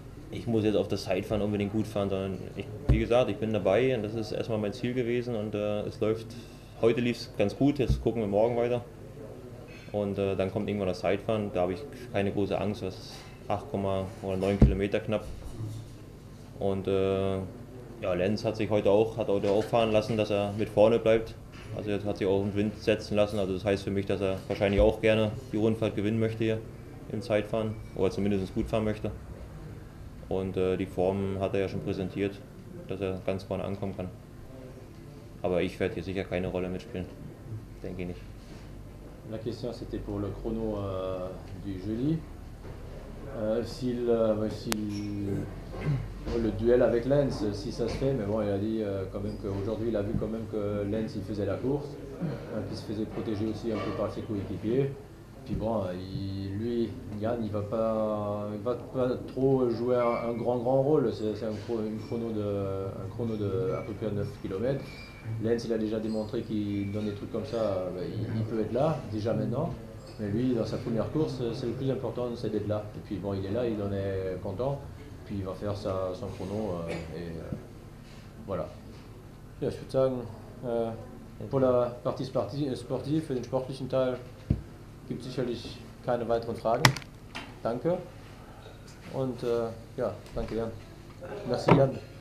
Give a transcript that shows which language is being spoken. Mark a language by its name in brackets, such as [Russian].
[German] Ich muss jetzt auf das Zeitfahren unbedingt gut fahren, sondern ich bin dabei und das ist erstmal mein Ziel gewesen und es läuft, heute lief es ganz gut, jetzt gucken wir morgen weiter und dann kommt irgendwann das Zeitfahren, da habe ich keine große Angst, das ist 8,9 Kilometer knapp und ja, Lenz hat sich heute auch auffahren lassen, dass er mit vorne bleibt, also jetzt hat sich auch im Wind setzen lassen, also das heißt für mich, dass er wahrscheinlich auch gerne die Rundfahrt gewinnen möchte hier im Zeitfahren oder zumindest gut fahren möchte. Und die Form hat er ja schon präsentiert, dass er ganz vorne ankommen kann. Aber ich werde hier sicher keine Rolle mitspielen, denke ich nicht. [French] La question c'était pour le chrono du jeudi. Le duel avec Lenz, si ça se fait, mais bon, il a dit quand même qu'aujourd'hui, il a vu quand même que Lenz il faisait la course, qu'il se faisait protéger aussi un peu par ses coéquipiers. Puis bon, lui, Yann, il va pas trop jouer un grand rôle. C'est un chrono de à peu près 9 km. Lenz, il a déjà démontré qu'il donne des trucs comme ça, il peut être là, déjà maintenant. Mais lui, dans sa première course, c'est le plus important, c'est d'être là. Et puis bon, il est là, il en est content. Puis il va faire son chrono. Voilà. [German] Ja, ich würde sagen, [French] pour la partie sportive, [German] für den sportlichen Teil. Es gibt sicherlich keine weiteren Fragen. Danke. Und ja, danke Jan. Merci Jan.